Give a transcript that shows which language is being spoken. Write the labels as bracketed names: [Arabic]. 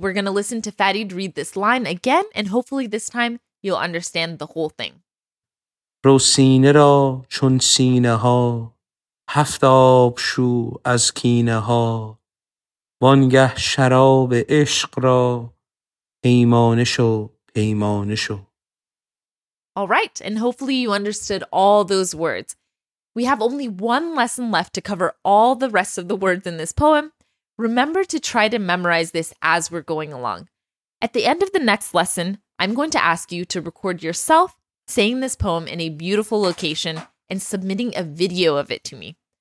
[English] We're going to listen to Fadid read this line again, and hopefully this time you'll understand the whole thing. [Persian] رو سینه را چون سینه ها هفت آب شو از کینه ها وانگه شراب عشق را پیمانشو پیمانشو. [English] All right, and hopefully you understood all those words. We have only one lesson left to cover all the rest of the words in this poem. Remember to try to memorize this as we're going along. At the end of the next lesson, I'm going to ask you to record yourself saying this poem in a beautiful location and submitting a video of it to me.